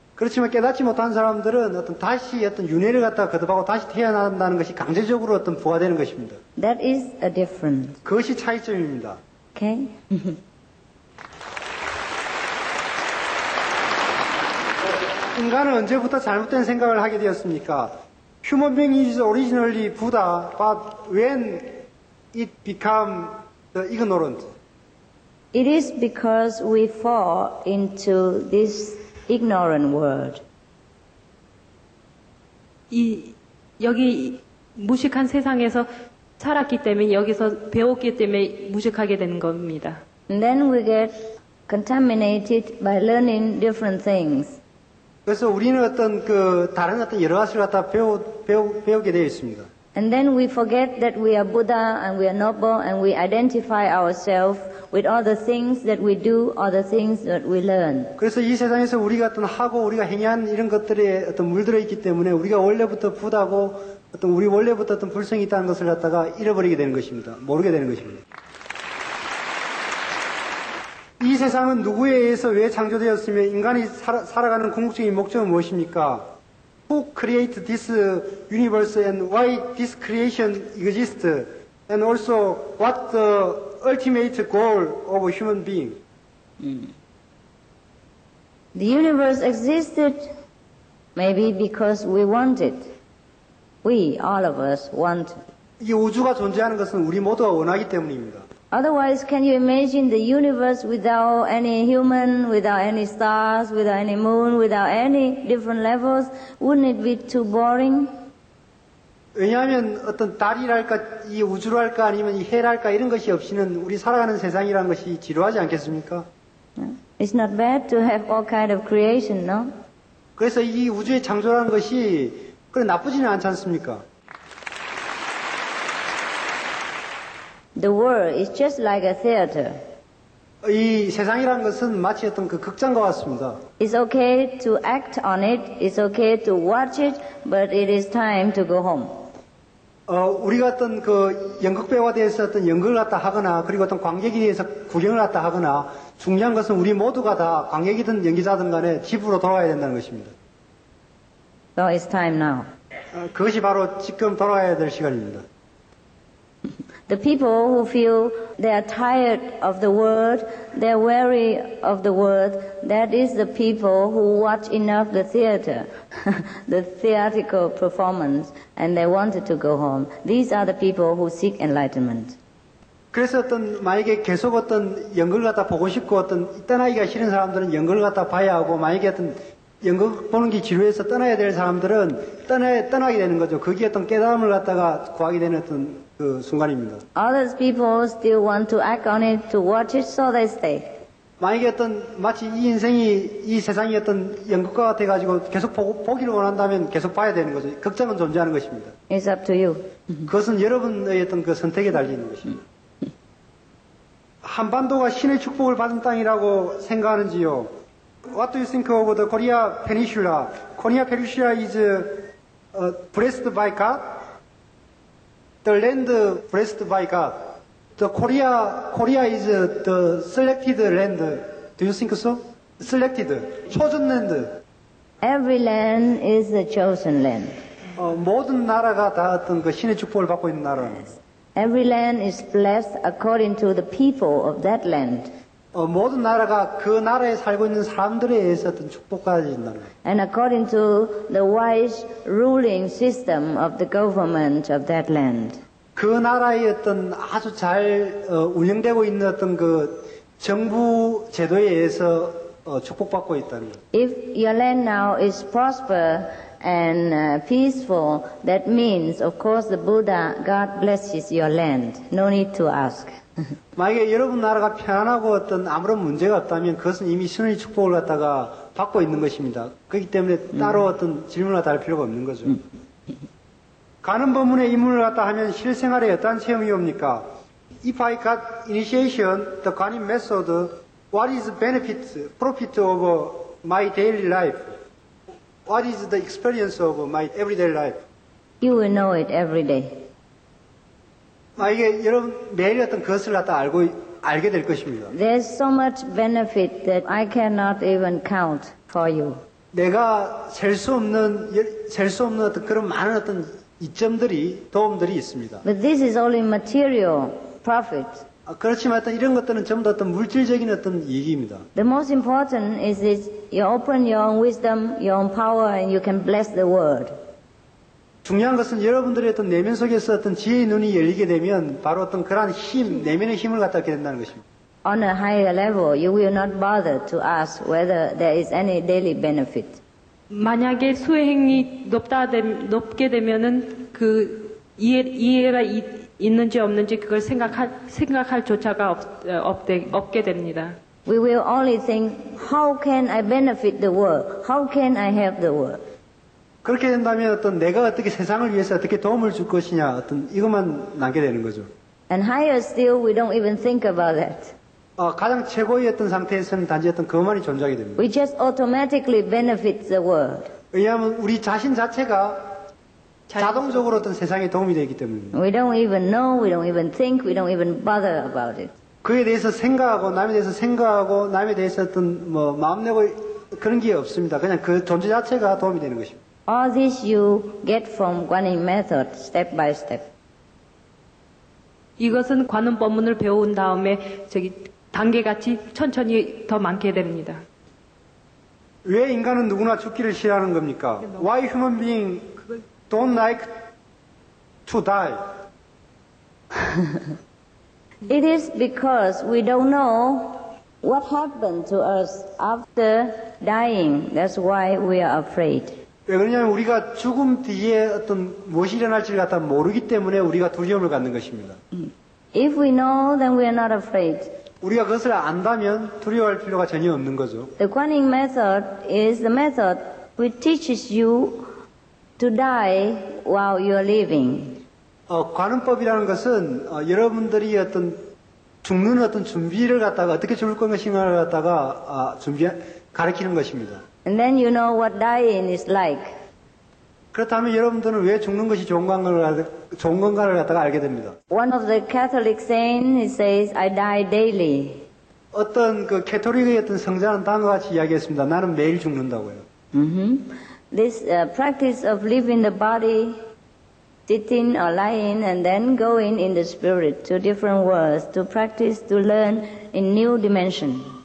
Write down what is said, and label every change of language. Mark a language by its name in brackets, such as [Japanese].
[Korean] 그렇지만 깨닫지 못한 사람들은 어떤 다시 어떤 윤회를 갖다가 거듭하고 다시 태어난다는 것이 강제적으로 어떤 부과되는 것입니다. [English] That is a difference. [Korean] 그것이 차이점입니다. [English] Okay. [Korean] 인간은 언제부터 잘못된 생각을 하게 되었습니까? [English] Human being is originally Buddha, but when it become the ignorant. It is because we fall into this ignorant world. [Korean] 이 여기 무식한 세상에서 살았기 때문에 여기서 배웠기 때문에 무식하게 되는 겁니다. [English] And then we get contaminated by learning different things. [Korean] 그래서 우리는 어떤 그 다른 어떤 여러 가지를 갖다 배우게 되어 있습니다. [English] And then we forget that we are Buddha and we are noble and we identify ourselves with all the things that we do, all the things that we learn. [Korean] 그래서 이 세상에서 우리가 어떤 하고 우리가 행한 이런 것들에 어떤 물들어 있기 때문에 우리가 원래부터 부다고 어떤 우리 원래부터 어떤 불성이 있다는 것을 갖다가 잃어버리게 되는 것입니다. 모르게 되는 것입니다. 이 세상은 누구에 의해서 왜 창조되었으며 인간이 살아가는 궁극적인 목적은 무엇입니까? [English] Who created this universe and why this creation exists? And also, what the ultimate goal of a human being? The universe existed maybe because we want it. We, all of us, want it. [Korean] 이 우주가 존재하는 것은 우리 모두가 원하기 때문입니다. [English] Otherwise, can you imagine the universe without any human, without any stars, without any moon, without any different levels? Wouldn't it be too boring? [Korean] 왜냐하면 어떤 달이랄까, 이 우주랄까, 아니면 이 해랄까 이런 것이 없이는 우리 살아가는 세상이란 것이 지루하지 않겠습니까? [English] It's not bad to have all kind of creation, no? [Korean] 그래서 이 우주의 창조라는 것이 그래 나쁘지는 않지 않습니까? [English] The world is just like a theater. [Korean] 이 세상이란 것은 마치 어떤 그 극장과 같습니다. [English] It's okay to act on it. It's okay to watch it, but it is time to go home. [Korean] 우리가 어떤 그 연극 배우가 돼서 어떤 연극을 갖다 하거나 그리고 어떤 관객이 돼서 구경을 갖다 하거나 중요한 것은 우리 모두가 다 관객이든 연기자든 간에 집으로 돌아가야 된다는 것입니다. [English] So it's time now. [Korean] 그것이 바로 지금 돌아가야 될 시간입니다. [English] The people who feel they are tired of the world, they're weary of the world, that is the people who watch enough the theater, the theatrical performance, and they wanted to go home. These are the people who seek enlightenment. [Korean] 그래서 어떤 만약에 계속 어떤 연극을 갖다 보고 싶고 어떤 떠나기가 싫은 사람들은 연극을 갖다 봐야 하고 만약에 어떤 연극 보는 게 지루해서 떠나야 될 사람들은 떠나게 되는 거죠. 거기에 어떤 깨달음을 갖다가 구하게 되는 어떤 그 순간입니다. [English] Others people still want to act on it to watch it so they stay. [Korean] 만약에 어떤 마치 이 인생이 이 세상이 어떤 연극과 같아 가지고 계속 보기를 원한다면 계속 봐야 되는 거죠. 걱정은 존재하는 것입니다. [English] It's up to you. [Korean] 그것은 여러분의 어떤 그 선택에 달리는 것입니다. 한반도가 신의 축복을 받은 땅이라고 생각하는지요? [English] What do you think of the Korea Peninsula? Korea Peninsula is blessed by God. The land blessed by God. The Korea is the selected land. Do you think so? Selected, 초선 land. Every land is the chosen land. [Korean] 모든 나라가 다 어떤 그 신의 축복을 받고 있는 나라. [English] Every land is blessed according to the people of that land. [Korean] 모든 나라가 그 나라에 살고 있는 사람들에 의해서 어떤 축복을 가진다는 거예요. [English] And according to the wise ruling system of the government of that land. [Korean] 그 나라의 어떤 아주 잘 운영되고 있는 어떤 그 정부 제도에 의해서 축복받고 있다는 거예요. [English] If your land now is prosper and peaceful, that means, of course, the Buddha, God blesses your land. No need to ask. [Korean] 만약에 여러분 나라가 편안하고 어떤 아무런 문제가 없다면 그것은 이미 신의 축복을 갖다가 받고 있는 것입니다. 그렇기 때문에 따로 어떤 질문을 달 필요가 없는 거죠. 가는 법문의 입문을 갖다 하면 실생활에 어떠한 체험이 옵니까? [English] If I got initiation, the Guanyin method, what is the benefit, profit of my daily life? What is the experience of my everyday life? You will know it every day. [Korean] 만약에 여러분 매일 어떤 그것을 갖다 알게 될 것입니다. [English] There's so much benefit that I cannot even count for you. [Korean] 내가 셀 수 없는 어떤 그런 많은 어떤 이점들이 도움들이 있습니다. [English] But this is only material profit. [Korean] 그렇지만 어떤 이런 것들은 전부 어떤 물질적인 어떤 이익입니다. [English] The most important is this: you open your own wisdom, your own power, and you can bless the world. [Korean] 중요한 것은 여러분들의 어떤 내면 속에서 어떤 지혜의 눈이 열리게 되면 바로 어떤 그러한 힘, 내면의 힘을 갖다 얻게 된다는 것입니다. [English] On a higher level, you will not bother to ask whether there is any daily benefit. [Korean] 만약에 수행이 높게 되면은 그 이해가 있는지 없는지 그걸 생각할 조차가 없게 됩니다. [English] We will only think, how can I benefit the world? How can I help the world? [Korean] 그렇게 된다면 어떤 내가 어떻게 세상을 위해서 어떻게 도움을 줄 것이냐 어떤 이것만 남게 되는 거죠. [English] And higher still, we don't even think about that. [Korean] 가장 최고의 어떤 상태에서는 단지 어떤 그것만이 존재하게 됩니다. [English] We just automatically benefit the world. [Korean] 왜냐하면 우리 자신 자체가 자동적으로 어떤 세상에 도움이 되기 때문입니다. [English] We don't even know, we don't even think, we don't even bother about it. [Korean] 그에 대해서 생각하고 남에 대해서 생각하고 남에 대해서 어떤 뭐 마음 내고 그런 게 없습니다. 그냥 그 존재 자체가 도움이 되는 것입니다. [English] All this you get from Guanyin method, step by step. [Korean] 이것은 관음 법문을 배운 다음에 저기 단계 같이 천천히 더 많게 됩니다. 왜 인간은 누구나 죽기를 싫어하는 겁니까? [English] Why human being don't like to die? It is because we don't know what happened to us after dying. That's why we are afraid. [Korean] 왜 그러냐면 우리가 죽음 뒤에 어떤 무엇이 일어날지를 갖다 모르기 때문에 우리가 두려움을 갖는 것입니다. [English] If we know, then we are not afraid. [Korean] 우리가 그것을 안다면 두려워할 필요가 전혀 없는 거죠. [English] The Guanyin method is the method which teaches you to die while you are living. [Korean] 관음법이라는 것은 여러분들이 어떤 죽는 어떤 준비를 갖다가 어떻게 죽을 것인가를 갖다가 가르치는 것입니다. [English] And then you know what dying is like. [Korean] 그렇다면 여러분들은 왜 죽는 것이 좋은 건가를 갖다가 알게 됩니다. [English] One of the Catholic saints says, I die daily. [Korean] 어떤 그 캐톨릭의 어떤 성자는 다음과 같이 이야기했습니다. 나는 매일 죽는다고요. Mm-hmm. [English] This practice of leaving the body, sitting or lying, and then going in the spirit to different worlds to practice to learn in new dimension.